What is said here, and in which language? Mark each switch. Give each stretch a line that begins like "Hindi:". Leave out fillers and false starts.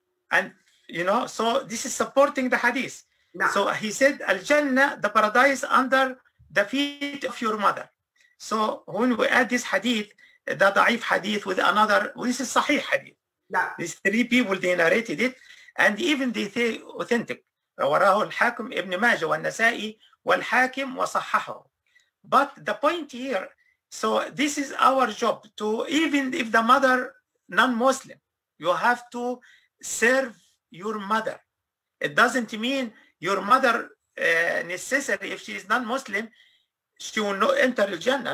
English: And you know, so this is supporting the hadith. So he said, Al-Jannah, the paradise under the feet of your mother. So when we add this hadith, the da'if hadith with another, this is sahih hadith. Yeah. These three people, they narrated it. And even they say authentic.
Arabic: رواه الحاكم ابن ماجه والنسائي والحاكم وصححه.
English: But the point here, so this is our job to, even if the mother non-Muslim, you have to serve your mother. It doesn't mean your mother necessary, if she is non-Muslim, she will not enter Jannah.